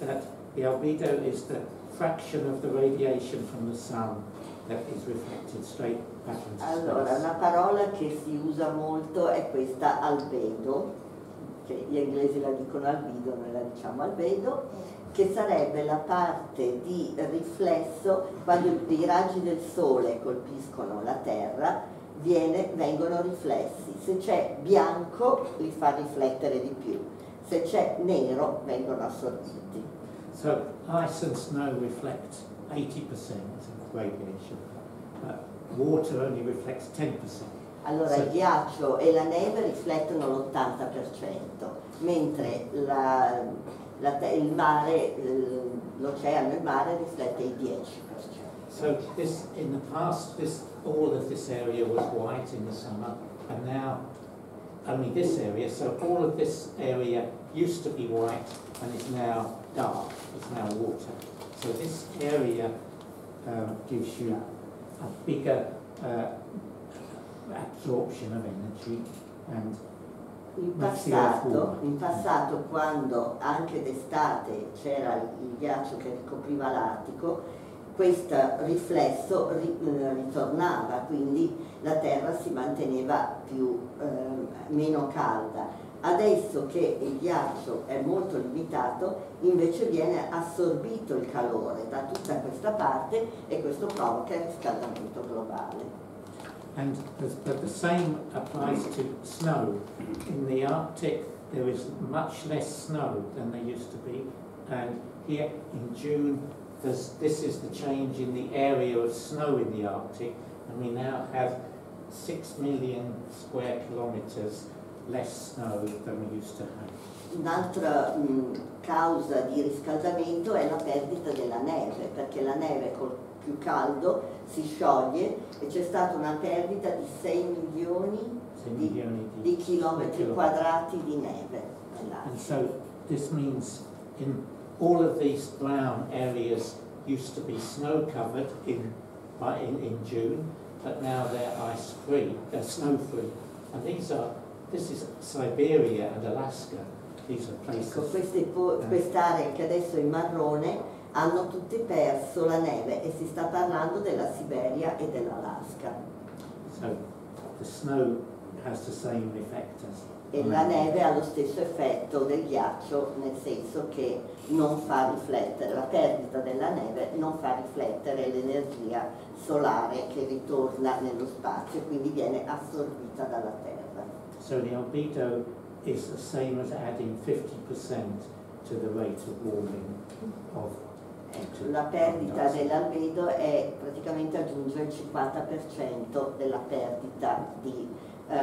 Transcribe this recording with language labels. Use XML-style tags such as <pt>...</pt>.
<en>That the albedo is the fraction of the radiation from the sun that is reflected straight back into space.</en> <it>Allora, una parola che si usa molto è questa albedo, che gli inglesi la dicono albedo, noi la diciamo albedo, che sarebbe la parte di riflesso quando i raggi del sole colpiscono la Terra. Vengono riflessi. Se c'è bianco li fa riflettere di più, se c'è nero vengono assorbiti.</it> <en>So ice and snow reflect 80% of radiation, but water only reflects 10%.</en> <it>Allora, il ghiaccio e la neve riflettono l'80%, mentre l'oceano e il mare riflette il 10%.</it> <en>So this, in the past, this all of this area was white in the summer, and now only this area. So all of this area used to be white and is now dark. It's now water. So this area gives you a bigger absorption of energy. And</en> <it>in passato, quando anche d'estate c'era il ghiaccio che ricopriva l'Artico, questo riflesso ritornava, quindi la Terra si manteneva meno calda. Adesso che il ghiaccio è molto limitato, invece viene assorbito il calore da tutta questa parte, e questo provoca il riscaldamento globale.</it> <en>And the same applies to snow. In the Arctic there is much less snow than there used to be, and here in June this is the change in the area of snow in the Arctic, and we now have 6 million square kilometers less snow than we used to have.</en> <it>un'altra causa di riscaldamento è la perdita della neve, perché la neve col più caldo si scioglie e c'è stata una perdita di 6 milioni di chilometri quadrati di neve.</it> <en>And so this means in all of these brown areas used to be snow covered in June, but now they're ice free, they're snow free. And this is Siberia and Alaska. These are places.</en> <it>Ecco, queste quest'area che adesso è marrone hanno tutte perso la neve e si sta parlando della Siberia e dell'Alaska.</it> <en>So the snow has the same effect as.</en> <it>E la neve ha lo stesso effetto del ghiaccio, nel senso che non fa riflettere, la perdita della neve non fa riflettere l'energia solare che ritorna nello spazio, quindi viene assorbita dalla Terra.</it> <en>So the albedo is the same as adding 50% to the rate of warming of.</en> <it>La perdita dell'albedo è praticamente aggiungere il 50% della perdita di.</it>